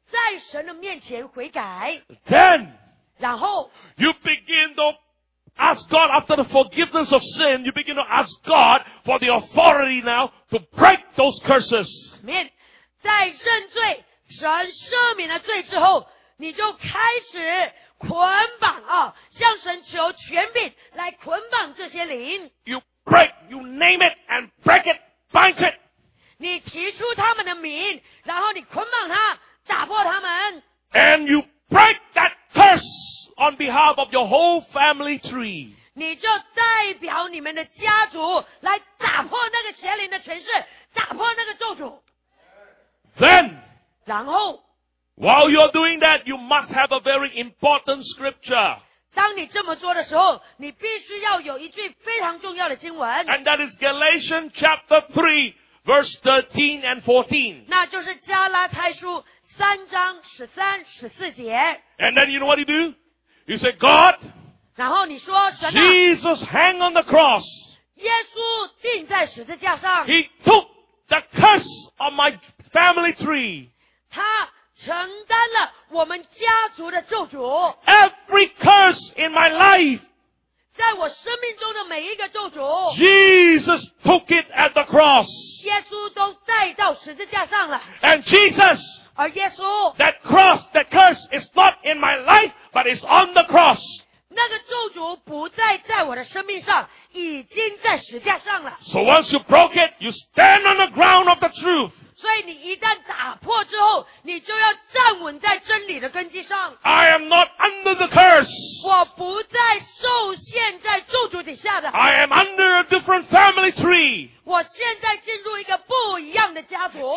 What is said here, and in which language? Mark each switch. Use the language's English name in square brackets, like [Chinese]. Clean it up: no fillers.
[Chinese] 但以理代表以色列在神的面前悔改。 [English] Then, [Chinese] 然后, [English] you begin to ask God after the forgiveness of sin, you begin to ask God for the authority now to break those curses. [Chinese] 在认罪, 神赦免了罪之后, 你就开始捆绑, 啊, 向神求权柄, 来捆绑这些灵。 [English] You break, you name it, and break it, bind it. [Chinese] 你提出他们的名, 然后你捆绑他, 打破他们。 [English] And you break that curse on behalf of your whole family tree. [Chinese] 你就代表你们的家族, 来打破那个邪灵的权势, 打破那个咒诅。 [English] Then, [Chinese] 然后, [English] while you're doing that, you must have a very important scripture. [Chinese] 当你这么做的时候, 你必须要有一句非常重要的经文。 [English] And that is Galatians chapter 3, verse 13 and 14. [Chinese] 那就是加拉太书3章13-14节。 [English] And then you know what you do? You say, God, [Chinese] 然后你说, 神啊, [English] Jesus hang on the cross. [Chinese] 耶稣钉在十字架上。 [English] He took the curse of my family tree. [Chinese] 他承担了我们家族的咒诅。 [English] Every curse in my life, [Chinese] 在我生命中的每一个咒诅, [English] Jesus took it at the cross. [Chinese] 耶稣都带到十字架上了。 [English] And Jesus, [Chinese] 而耶稣, [English] that cross, that curse is not in my life, but it's on the cross. [Chinese] 那个咒诅不再在我的生命上, 已经在十字架上了。 [English] So once you broke it, you stand on the ground of the truth. [Chinese] 所以你一旦打破之后, 你就要站稳在真理的根基上。 [English] I am not under the curse. [Chinese] 我不再受限在咒诅底下的。 [English] I am under a different family tree. [Chinese] 我现在进入一个不一样的家族。